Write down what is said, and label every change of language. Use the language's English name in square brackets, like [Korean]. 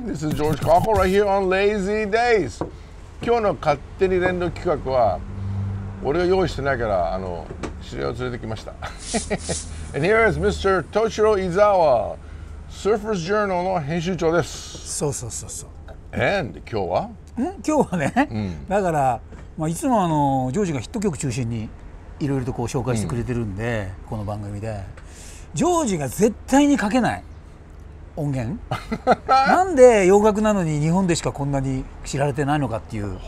[English] This is George Cockle right here on Lazy Days. [Japanese] 今日の勝手に連動企画は、俺が用意してないから、知り合いを連れてきました。 [English] And here is Mr. [Japanese] Toshiro Izawa, Surfers Journal の編集長です。そうそうそうそう。 [English] And [Japanese] 今日は？今日はね、だから、まあ、いつもジョージがヒット曲中心にいろいろとこう紹介してくれてるんで、この番組で。ジョージが絶対に書けない。音源なんで洋楽なのに日本でしかこんなに知られてないのかっていう